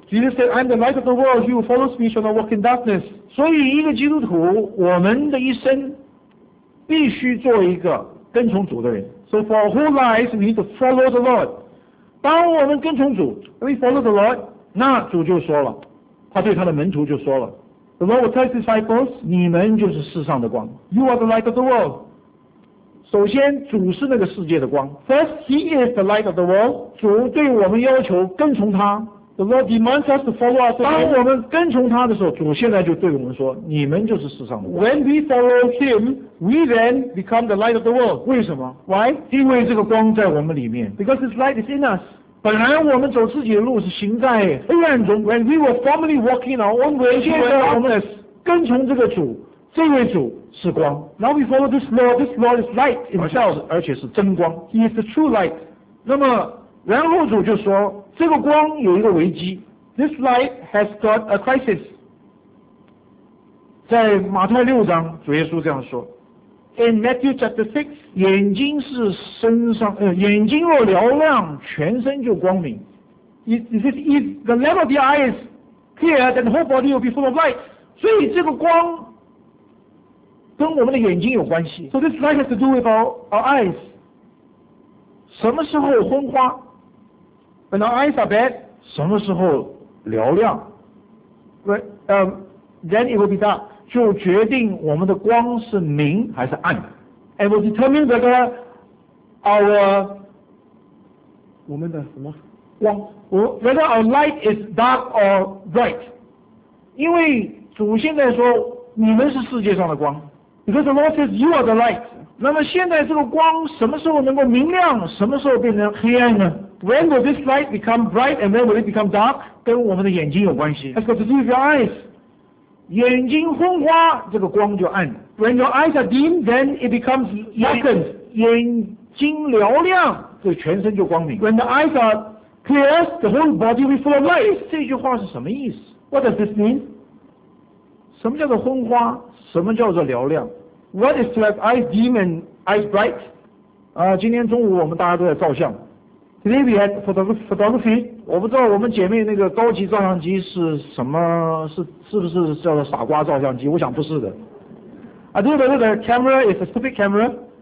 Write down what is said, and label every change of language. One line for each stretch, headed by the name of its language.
English: Jesus said, I am the light of the world. He who follows me shall not walk in darkness.
Chinese: 所以一个基督徒，我们的一生必须做一个跟从主的人。
English: So for our whole lives, we need to follow the Lord.
Chinese: 当我们跟从主，
English: we follow the Lord.
Chinese: 那主就说了，他对他的门徒就说了，
English: The Lord will tell his disciples,
Chinese: 你们就是世上的光。
English: You are the light of the world.
Chinese: 首先主是那个世界的光。
English: First, he is the light of the world.
Chinese: 主对我们要求跟从他。
English: The Lord demands us to follow us.
Chinese: 当我们跟从他的时候，主现在就对我们说，你们就是世上的光。
English: When we follow him, we then become the light of the world.
Chinese: 为什么？
English: Why?
Chinese: 因为这个光在我们里面。
English: Because his light is in us.
Chinese: 本来我们走自己的路是行在黑暗中。
English: When we were formerly walking our own way,
Chinese: 现在我们跟从这个主，这位主是光。
English: Now we follow this Lord is light in himself.
Chinese: 而且是真光。
English: He is the true light.
Chinese: 那么然后主就说，这个光有一个危机。
English: This light has got a crisis.
Chinese: 在马太六章，主耶稣这样说。
English: In Matthew chapter 6,
Chinese: 眼睛是身上，眼睛若嘹亮，全身就光明。
English: If the lamp of the eye is clear, then the whole body will be full of light.
Chinese: 所以这个光跟我们的眼睛有关系。
English: So this light has to do with our eyes.
Chinese: 什么时候昏花？
English: When our eyes are bad,
Chinese: 什么时候嘹亮？
English: Then it will be dark.
Chinese: 就决定我们的光是明还是暗。
English: And will determine whether our light is dark or bright.
Chinese: 因为主现在说，你们是世界上的光。
English: Because the Lord says, you are the light.
Chinese: 那么现在这个光什么时候能够明亮，什么时候变成黑暗呢？
English: When will this light become bright and when will it become dark?
Chinese: 跟我们的眼睛有关系。
English: That's got to do with your eyes.
Chinese: 眼睛昏花，这个光就暗。
English: When your eyes are dim, then it becomes darkened.
Chinese: 眼睛嘹亮，这全身就光明。
English: When the eyes are clear, the whole body will be full of light.
Chinese: 这句话是什么意思？
English: What does this mean?
Chinese: 什么叫做昏花？什么叫做嘹亮？
English: What is to have eyes dim and eyes bright?
Chinese: 今天中午我们大家都在照相。
English: Today we had photography.
Chinese: 我不知道我们姐妹那个高级照相机是什么，是不是叫做傻瓜照相机？我想不是的。
English: I don't know whether camera is a stupid camera.